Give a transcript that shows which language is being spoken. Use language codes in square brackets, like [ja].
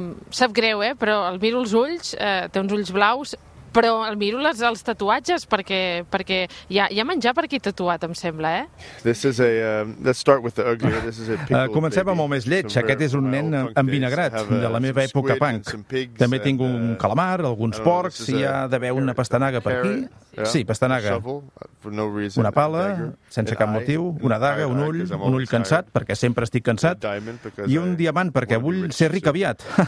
[ca] Sap greu, però el miro als ulls, té uns ulls blaus, però el miro els tatuatges, perquè hi ha menjar per aquí tatuat, em sembla, [en] This is a, let's start with the ugly, this is a pickle. [ca] Comencem [en] baby. [ca] Amb el més lleig, aquest és un nen envinagrat, de la meva època punk. [en] Pigs, [ca] també tinc un calamar, alguns porcs, hi ha d'haver una pastanaga per aquí. Sí, pastanaga. Una pala, sense cap motiu, una daga, un ull cansat, perquè sempre estic cansat, i un diamant, perquè vull ser ric aviat.